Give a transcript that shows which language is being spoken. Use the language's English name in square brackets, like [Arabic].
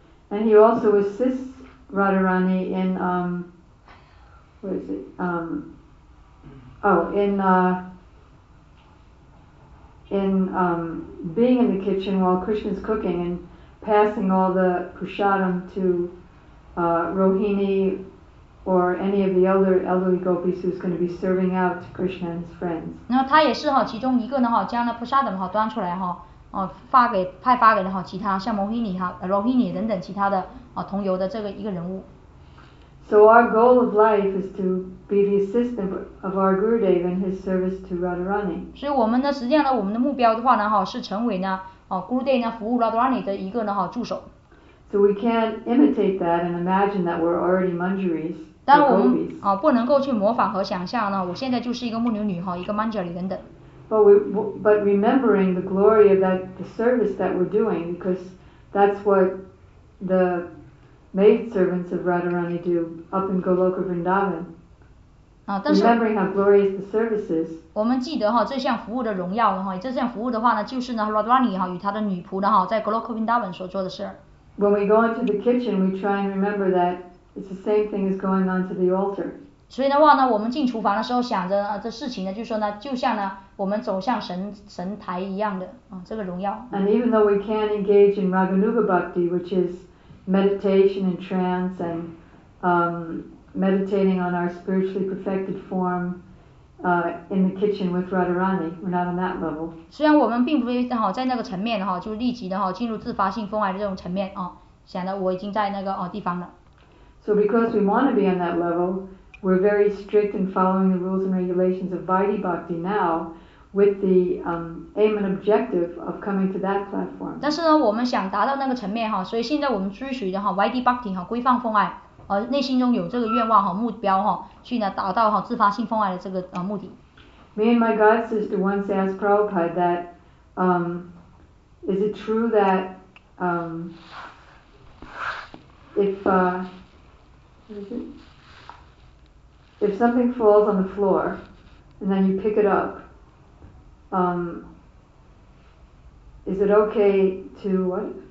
[English] And he also assists Radharani in being in the kitchen while Krishna's cooking and passing all the prasadam to Rohini. Or any of the elderly gopis who's going to be serving out Krishna and his friends. [Chinese] 那他也是哈，其中一个呢哈，将那菩萨等哈端出来哈，哦，发给派发给了哈其他像摩希尼哈、罗希尼等等其他的啊同游的这个一个人物。 [English] So our goal of life is to be the assistant of our Gurudev in his service to Radharani. [Chinese] 所以我们呢，实际上呢，我们的目标的话呢哈，是成为呢哦 Gurudev 呢服务 Radharani 的一个呢哈助手。 [English] So we can't imitate that and imagine that we're already Manjaris. [Chinese] 但我们啊不能够去模仿和想象呢，我现在就是一个牧牛女哈，一个 Manjari 等等。 [English] But remembering the glory of that the service that we're doing, because that's what the maid servants of Radharani do up in Goloka Vrindavan. [Chinese] 啊，但是 [English] remembering how glorious the service is. [Chinese] 我们记得哈这项服务的荣耀哈，这项服务的话呢，就是呢 Radharani 哈与他的女仆呢哈在 Goloka Vrindavan 所做的事。 [English] When we go into the kitchen, we try and remember that it's the same thing as going on to the altar. [Chinese] 所以的话呢，我们进厨房的时候想着这事情呢，就说呢，就像呢，我们走向神台一样的啊，这个荣耀。 [English] And even though we can't engage in Raghunuga Bhakti, which is meditation and trance and meditating on our spiritually perfected form. In the kitchen with Radharani, we're not on that level. [Chinese] 虽然我们并不是哈在那个层面哈，就立即的哈进入自发性风爱的这种层面啊，显得我已经在那个哦地方了。 [English] So because we want to be on that level, we're very strict in following the rules and regulations of Vaidhi Bhakti now, with the aim and objective of coming to that platform. [Chinese] 但是呢，我们想达到那个层面哈，所以现在我们追随的哈 Vaidhi Bhakti 哈规范风爱。内心中有这个愿望和目标哈，去呢达到哈自发性风爱的这个目的。 [English] Me and my god sister once asked Prabhupada that, is it true that, if something falls on the floor, and then you pick it up, is it okay to what?